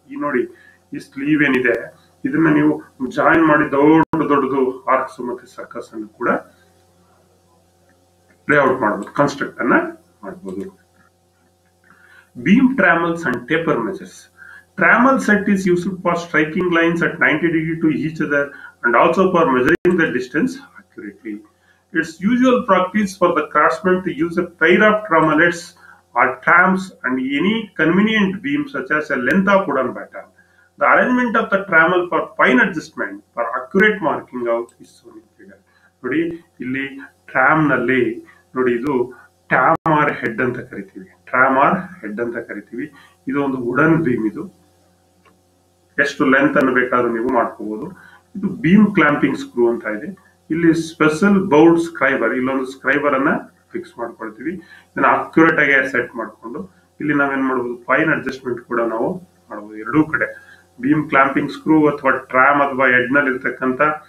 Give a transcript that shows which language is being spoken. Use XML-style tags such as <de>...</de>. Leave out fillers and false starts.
<kn>ಈ ನೋಡಿ, ಈ ಸ್ಲೀವ್ ಏನಿದೆ ಇದನ್ನ ನೀವು ಜಾಯಿನ್ ಮಾಡಿ ದೊಡ್ಡ ದೊಡ್ಡದು ಆರ್ಕ್ಸ್ ಮತ್ತೆ ಸರ್ಕಸ್ ಅನ್ನು ಕೂಡ ಲೇಔಟ್ ಮಾಡಬಹುದು, ಕನ್ಸ್ಟ್ರಕ್ಟ್ ಅನ್ನ ಮಾಡಬಹುದು.</kn> <en>Beam trammels and taper measures. Trammel set is used for striking lines at 90 degree to each other and also for measuring the distance accurately. It's usual practice for the craftsman to use a pair of trammelets or trams and any convenient beam such as a length of wooden batten. The arrangement of the trammel for fine adjustment for accurate marking out is shown in the figure.</en> <kn>ನೋಡಿ ಇಲ್ಲಿ tram ನಲ್ಲಿ ನೋಡಿ ಇದು tram R head ಅಂತ ಕರಿತೀವಿ tram R head ಅಂತ ಕರಿತೀವಿ ಇದು ಒಂದು ವುಡನ್ ಬೀಮ್ ಇದು ಎಷ್ಟು ಲೆಂತ್ ಅನ್ನು ಬೇಕಾದ್ರೂ ನೀವು ಮಾಡ್ಕೋಬಹುದು ಇದು ಬೀಮ್ ಕ್ಲಾಂಪಿಂಗ್ ಸ್ಕ್ರೂ ಅಂತ ಇದೆ ಇಲ್ಲಿ ಸ್ಪೆಷಲ್ ಬೌಲ್ಡ್ ಸ್ಕ್ರೈಬರ್ ಇಲ್ಲೊಂದು ಸ್ಕ್ರೈಬರ್ ಅನ್ನ ಫಿಕ್ಸ್ ಮಾಡ್ಕೊಳ್ತೀವಿ ಇದನ್ನ ಅಕ್ಯುರೇಟ್ ಆಗಿ ಸೆಟ್ ಮಾಡಿಕೊಂಡು ಇಲ್ಲಿ ನಾವೇನ್ ಮಾಡಬಹುದು ಫೈನ್ ಅಡ್ಜಸ್ಟ್ಮೆಂಟ್ ಕೂಡ ನಾವು ಮಾಡಬಹುದು ಎರಡೂ ಕಡೆ ಬೀಮ್ ಕ್ಲಾಂಪಿಂಗ್ ಸ್ಕ್ರೂ ಅಥವಾ ಟ್ರಾಮ್ ಅಥವಾ ಹೆಡ್ ನಲ್ಲಿ ಇರತಕ್ಕಂತ</kn>